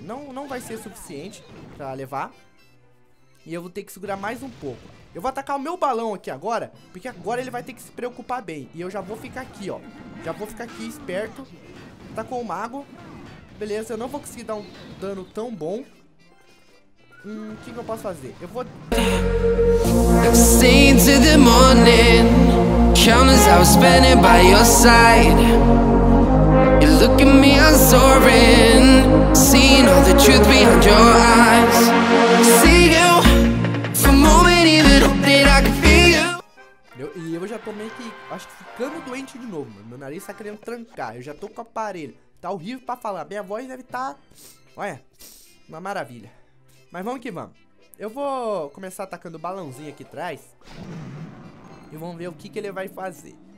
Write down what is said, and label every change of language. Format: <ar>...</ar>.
<pt>Não vai ser suficiente pra levar. E eu vou ter que segurar mais um pouco. Eu vou atacar o meu balão aqui agora, porque agora ele vai ter que se preocupar bem. E eu já vou ficar aqui, ó. Já vou ficar aqui esperto. Atacou o mago. Beleza, eu não vou conseguir dar um dano tão bom. Que eu posso fazer? Eu vou...</pt> <en>I'm staying to the morning. Countless hours spending by your side. You look at me, I'm soaring. Seeing all the truth behind your eyes. See you. For a moment even hoping I could feel you.</en> <pt>E eu já tô meio que... Acho que ficando doente de novo, mano. Meu nariz tá querendo trancar. Eu já tô com o aparelho. Tá horrível pra falar. Minha voz deve tá... Olha. Uma maravilha. Mas vamos que vamos. Eu vou começar atacando o balãozinho aqui atrás. E vamos ver o que ele vai fazer.</pt>